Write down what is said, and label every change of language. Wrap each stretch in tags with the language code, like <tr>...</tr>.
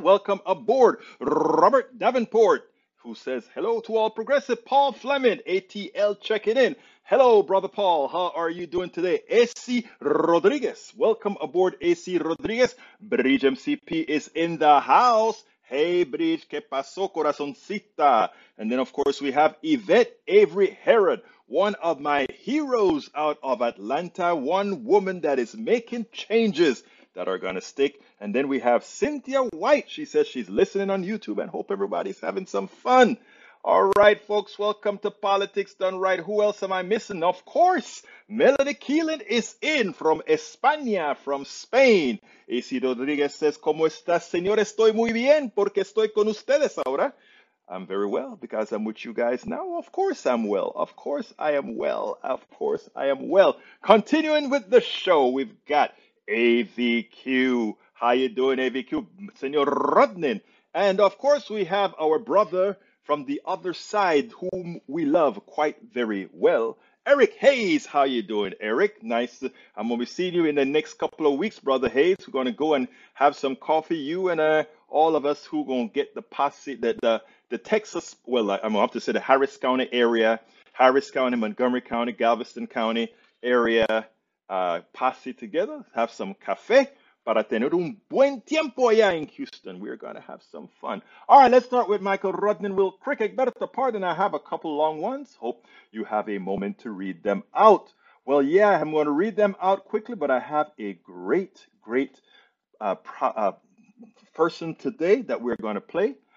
<en>Welcome aboard Robert Davenport, who says hello to all progressive. Paul Fleming, ATL, checking in. Hello, brother Paul. How are you doing today? AC Rodriguez, welcome aboard, AC Rodriguez. Bridge MCP is in the house.</en> <es>Hey, Bridge, ¿qué pasó, corazoncita?</es> <en>And then, of course, we have Yvette Avery Herod, one of my heroes out of Atlanta, one woman that is making changes that are going to stick. And then we have Cynthia White. She says she's listening on YouTube and hope everybody's having some fun. All right, folks, welcome to Politics Done Right. Who else am I missing? Of course, Melanie Keelan is in from España, from Spain.</en> <es>AC Rodriguez says, ¿cómo estás, señor? Estoy muy bien porque estoy con ustedes ahora.</es> <en>I'm very well because I'm with you guys now. Of course I'm well. Of course I am well. Of course I am well. Continuing with the show, we've got AVQ. How you doing, AVQ? Señor Rodnin. And of course we have our brother from the other side, whom we love quite very well, Eric Hayes. How you doing, Eric? Nice. I'm going to be seeing you in the next couple of weeks, brother Hayes. We're going to go and have some coffee. You and all of us who are going to get the posse, the Texas, well, I'm going to have to say the Harris County area, Harris County, Montgomery County, Galveston County area, posse together, have some café.</en> <es>Para tener un buen tiempo allá in Houston.</es> <en>We're going to have some fun. All right, let's start with Michael Rodnin. Will Crick Egberto pardon? I have a couple long ones. Hope you have a moment to read them out. Well, yeah, I'm going to read them out quickly, but I have a great, great person today that we're going to play.</en>